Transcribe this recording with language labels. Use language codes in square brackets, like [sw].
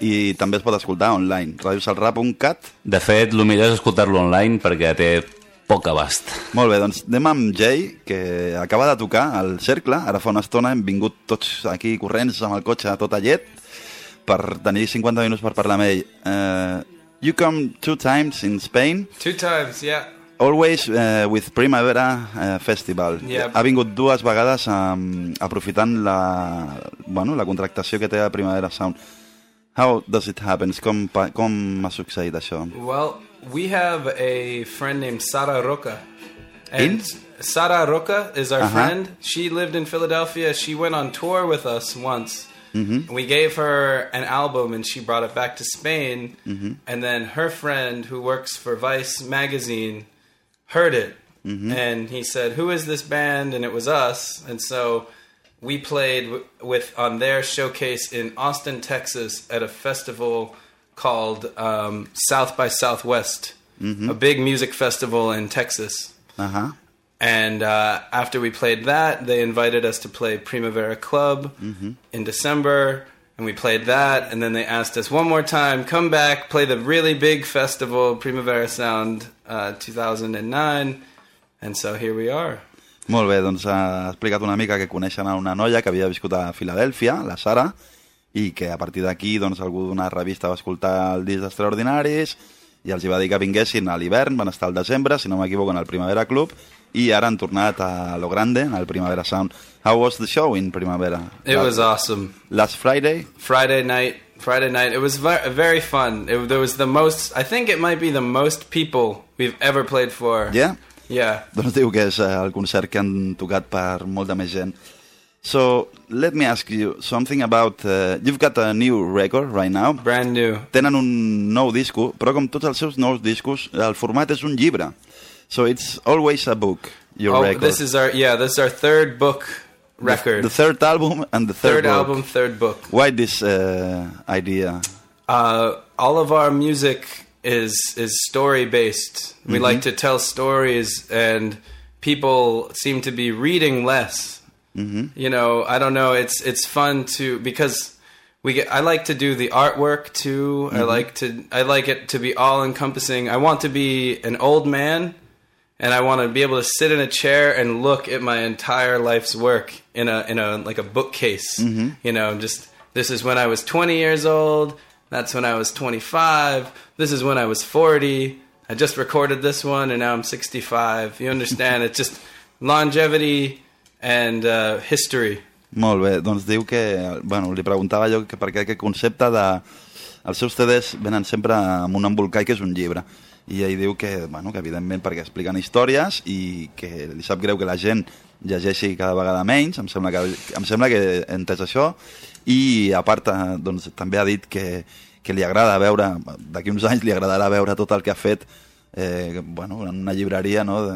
[ca] I també es pot escoltar online, radiosaltrac.cat. De fet, el millor és escoltar-lo online, perquè té poc abast. Molt bé, doncs anem amb Jay, que acaba de tocar al Cercle. Ara fa una estona hem vingut tots aquí corrents amb el cotxe tot a llet per tenir 50 minuts per parlar amb ell. [en] You come two times in Spain. Two times, yeah. Always with Primavera Festival. Yeah. [ca] Ha vingut dues vegades aprofitant la, bueno, la contractació que té a Primavera Sound. [en] How does it happen? [ca] Com ha succeït això? [en] Well, we have a friend named Sara Roca. And Sara Roca is our friend. She lived in Philadelphia. She went on tour with us once. Mm-hmm. We gave her an album and she brought it back to Spain. Mm-hmm. And then her friend, who works for Vice magazine, heard it. Mm-hmm. And he said, "Who is this band?" And it was us. And so we played with on their showcase in Austin, Texas, at a festival called South by Southwest, mm-hmm. a big music festival in Texas. Uh-huh. And after we played that, they invited us to play Primavera Club mm-hmm. in December, And we played that, and then they asked us one more time, come back, play the really big festival, Primavera Sound 2009, and so here we are. [ca] Molt bé, doncs ha explicat una mica que coneixen a una noia que havia viscut a Filadèlfia, la Sara, i que a partir d'aquí doncs, algú d'una revista va escoltar el disc d'Extraordinaris i els va dir que vinguessin a l'hivern, van estar al desembre, si no m'equivoco, en el Primavera Club, i ara han tornat a Lo Grande, al Primavera Sound. [en] How was the show in Primavera? It was awesome. Last Friday? Friday night. It was very fun. There was the most... I think it might be the most people we've ever played for. Yeah? Yeah. [ca] Doncs diu que és el concert que han tocat per molta més gent. [en] So, let me ask you something about... you've got a new record right now. Brand new. [ca] Tenen un nou disco, però com tots els seus nous discos, el format és un llibre. [en] So it's always a book, your record. This is our third book record. The third album and the third Third album, third book. Why this idea? All of our music is story-based. We mm-hmm. like to tell stories, and people seem to be reading less. Mm-hmm. You know, I don't know, it's fun to... Because I like to do the artwork, too. Mm-hmm. I like it to be all-encompassing. I want to be an old man... And I want to be able to sit in a chair and look at my entire life's work in a like a bookcase. Mm-hmm. You know, just this is when I was 20 years old. That's when I was 25. This is when I was 40. I just recorded this one and now I'm 65. You understand? It's just longevity and history. [ca] Molt bé. Doncs diu que, bueno, li preguntava jo que per què aquest concepte de... Els seus CDs venen sempre amb un embolcall que és un llibre. I ell diu que, bueno, que evidentment perquè expliquen històries i que li sap greu que la gent llegeixi cada vegada menys, em sembla que he entès això, i a part doncs, també ha dit que li agrada veure, d'aquí uns anys li agradarà veure tot el que ha fet bueno, en una llibreria, no?